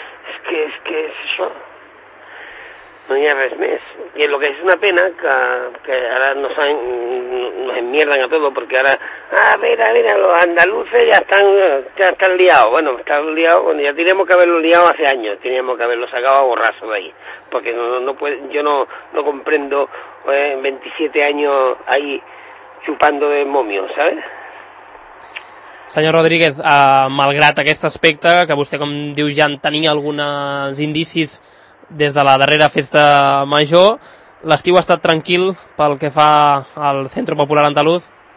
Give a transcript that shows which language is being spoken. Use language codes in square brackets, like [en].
[ca] És que és això. No hi ha res més. I el que és una pena, que ara [es] nos enmierden a todo, [ca] perquè ara, a veure, [es] los andaluces ya están liados. Bueno, están liados, bueno, ya teníamos que haberlo liado hace años, teníamos que haberlo sacado a borrazo de ahí. Porque no comprendo 27 años ahí chupando de momio, ¿sabes? [ca] Senyor Rodríguez, malgrat aquest aspecte, que vostè, com diu, ja en tenia alguns indicis des de la darrera festa major, l'estiu ha estat tranquil pel que fa al Centro Popular Andaluz?